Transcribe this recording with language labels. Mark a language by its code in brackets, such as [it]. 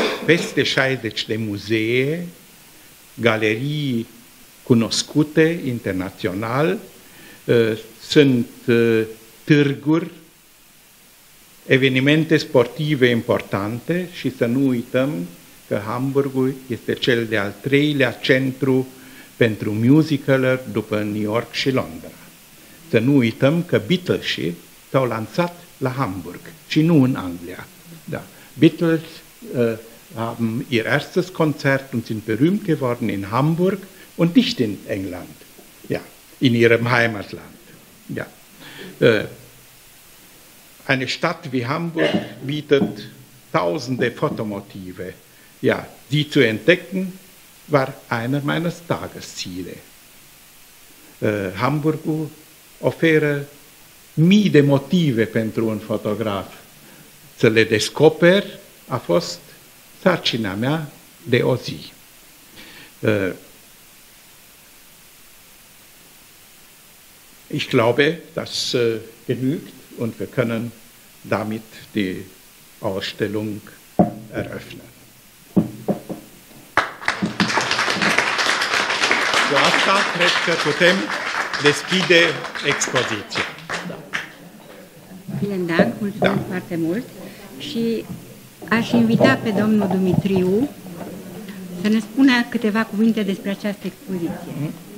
[ro] peste 60 de muzee, galerii cunoscute internațional, sunt târguri, evenimente sportive importante și să nu uităm că Hamburgul este cel de-al treilea centru pentru musicaluri după New York și Londra. Să nu uităm că Beatles s-au lansat la Hamburg și nu în Anglia. Da. [de] Beatles haben ihr erstes Konzert und sind berühmt geworden in Hamburg und nicht in England. Ja, in ihrem Heimatland. Ja. Eine Stadt wie Hamburg bietet tausende Fotomotive. Ja, die zu entdecken, war einer meines Tagesziele. [ro] Hamburg offre mii de motive pentru un fotograf să le descoper, a fost sarcina mea de o zi. [de] Ich glaube, das genügt und wir können damit die Ausstellung eröffnen. [ro] Cu asta cred că putem deschide expoziția. [de] Vielen Dank, [ro] mulțumesc foarte mult. Și aș invita pe domnul Dumitriu să ne spună câteva cuvinte despre această expoziție.